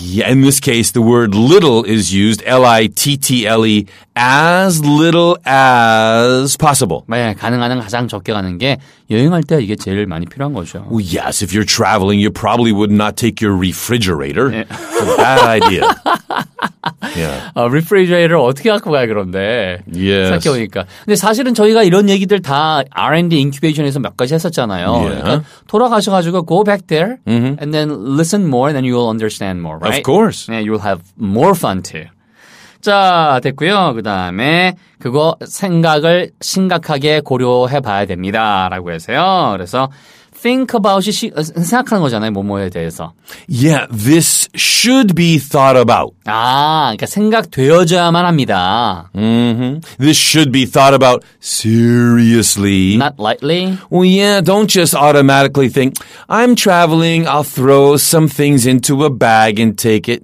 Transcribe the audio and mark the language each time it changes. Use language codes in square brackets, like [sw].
[en] Yeah, in this case, the word little is used. L-I-T-T-L-E. As little as possible. [ko] 네, 가능한 한 가장 적게 가는 게 여행할 때 이게 제일 많이 필요한 거죠. [en] Well, yes, if you're traveling, you probably would not take your refrigerator. 네. It's a bad idea. [ko] Yeah. Refrigerator 어떻게 갖고 가야 그런데 [en] yes. [ko] 생각해보니까 근데 사실은 저희가 이런 얘기들 다 R&D 인큐베이션에서 몇 가지 했었잖아요 [en] yeah. [ko] 그러니까 돌아가셔가지고 [en] go back there and then listen more and then you will understand more right? Of course yeah, you will have more fun too [ko] 자 됐고요 그 다음에 그거 생각을 심각하게 고려해봐야 됩니다 라고 해서요 그래서 Think about, 생각하는 거잖아요, 뭐뭐에 대해서. [en] Yeah, this should be thought about. [ko] 아, 그러니까 생각되어져야만 합니다. [en] Mm-hmm. This should be thought about seriously. Not lightly. Well, yeah, don't just automatically think, I'm traveling, I'll throw some things into a bag and take it.